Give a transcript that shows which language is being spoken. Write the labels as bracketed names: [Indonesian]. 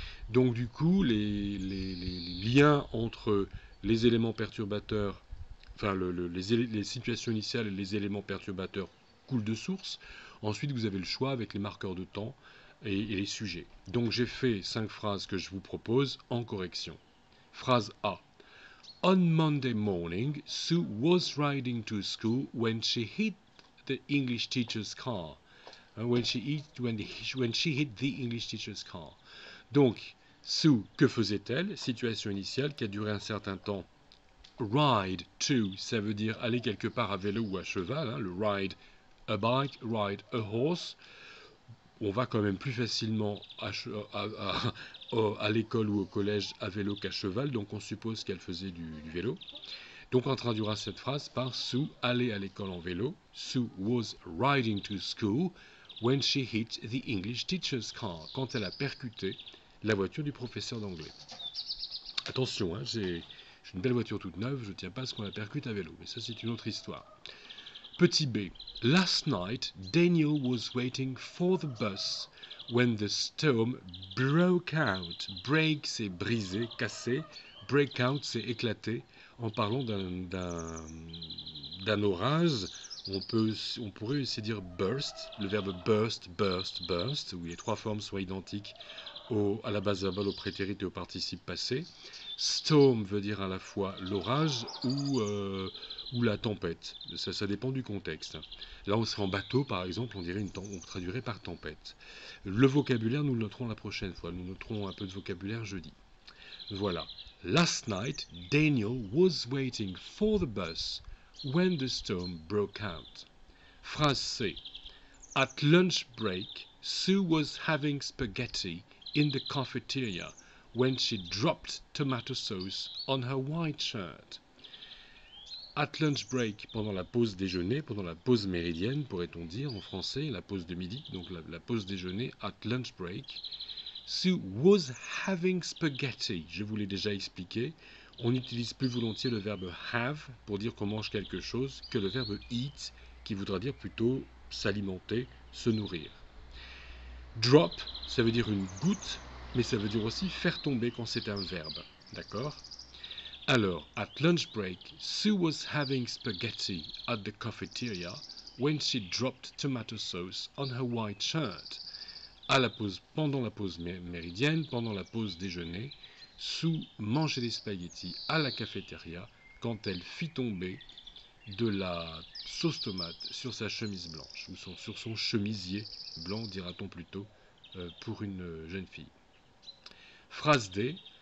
[French] Donc du coup, les liens entre les éléments perturbateurs, enfin les situations initiales et les éléments perturbateurs coulent de source. Ensuite, vous avez le choix avec les marqueurs de temps et les sujets. Donc j'ai fait 5 phrases que je vous propose en correction. Phrase A. [English] On Monday morning, Sue was riding to school when she hit the English teacher's car. When she hit the English teacher's car. [French] Donc, Sue, que faisait-elle? Situation initiale qui a duré un certain temps. Ride to, ça veut dire aller quelque part à vélo ou à cheval. Le ride a bike, ride a horse. On va quand même plus facilement à l'école ou au collège à vélo qu'à cheval, donc on suppose qu'elle faisait du vélo. Donc on traduira cette phrase par Sue allait à l'école en vélo. [English] Sue was riding to school when she hit the English teacher's car. [French] Quand elle a percuté la voiture du professeur d'anglais. Attention, j'ai une belle voiture toute neuve, je ne tiens pas à ce qu'on la percute à vélo, mais ça c'est une autre histoire. Petit B. [English] Last night, Daniel was waiting for the bus when the storm broke out. [French] Break, c'est briser, casser. Break out, c'est éclater. En parlant d'un orage, on pourrait aussi dire burst. Le verbe burst, burst, burst, où les trois formes sont identiques à la base verbale, au prétérit et au participe passé. Storm veut dire à la fois l'orage ou la tempête. Ça dépend du contexte. Là, on serait en bateau, par exemple, on traduirait par tempête. Le vocabulaire, nous le noterons la prochaine fois. Nous noterons un peu de vocabulaire jeudi. Voilà. [English] Last night, Daniel was waiting for the bus when the storm broke out. [French] Phrase C. [English] At lunch break, Sue was having spaghetti in the cafeteria when she dropped tomato sauce on her white shirt. At lunch break, [French] pendant la pause déjeuner, pendant la pause méridienne, pourrait-on dire en français, la pause de midi, donc la pause déjeuner, [English] at lunch break, Sue was having spaghetti. [French] Je vous l'ai déjà expliqué, on utilise plus volontiers le verbe have pour dire qu'on mange quelque chose que le verbe eat qui voudra dire plutôt s'alimenter, se nourrir. Drop, ça veut dire une goutte, mais ça veut dire aussi faire tomber quand c'est un verbe, d'accord? [English] Alors, at lunch break, Sue was having spaghetti at the cafeteria when she dropped tomato sauce on her white shirt. [French] Pendant la pause méridienne, pendant la pause déjeuner, Sue mangeait des spaghettis à la cafeteria quand elle fit tomber de la sauce tomate sur sa chemise blanche, ou sur son chemisier blanc, dira-t-on plutôt, pour une jeune fille. Phrase D.